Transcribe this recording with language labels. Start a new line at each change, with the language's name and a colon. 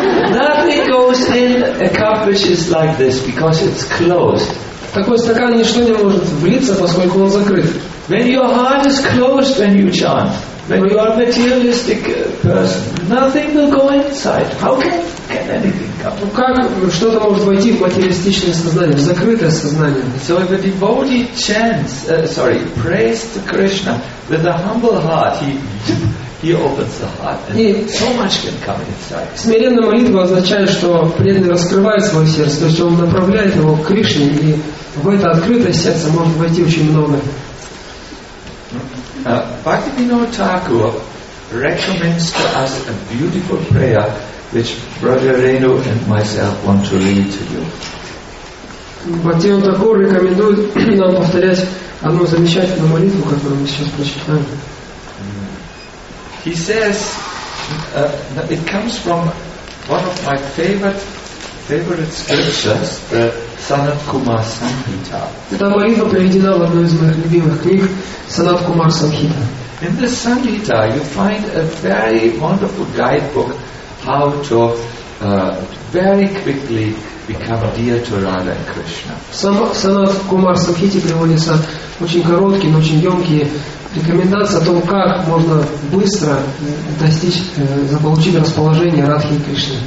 English: Nothing goes in a cup which is like this because it's closed.
Russian: Такой стакан ничто не может влиться, поскольку он закрыт.
English: When your heart is closed, when you chant, when you are a materialistic person, nothing will go inside. How can anything come?
Russian: Ну как что-то может войти в материалистичное сознание, в закрытое сознание?
English: So if a devotee chants, prays to Krishna with a humble heart, he opens the heart, and so much can come inside.
Russian: Смиренная молитва означает, что преданный раскрывает свое сердце, то есть он направляет его к Кришне, и в это открытое сердце может войти очень многое.
English: Bhaktivinoda Thakur recommends to us a beautiful prayer which Brother Renu and myself want to read to you.
Russian: Bhaktivinoda Thakur рекомендует нам повторять одну замечательную молитву, которую мы сейчас прочитаем.
English: He says that it comes from one of my favorite scriptures, the Sanat Kumar Samhita.
Russian: Эта молитва приведена в одной из моих любимых книг, Sanat Kumar Samhita.
English: In the Samhita, you find a very wonderful guidebook how to very quickly become dear to Radha and Krishna.
Russian: Sanat Kumar Samhita приводится очень короткие, но очень емкие рекомендации о том, как можно быстро достичь, заполучить расположение Радхи и Кришны.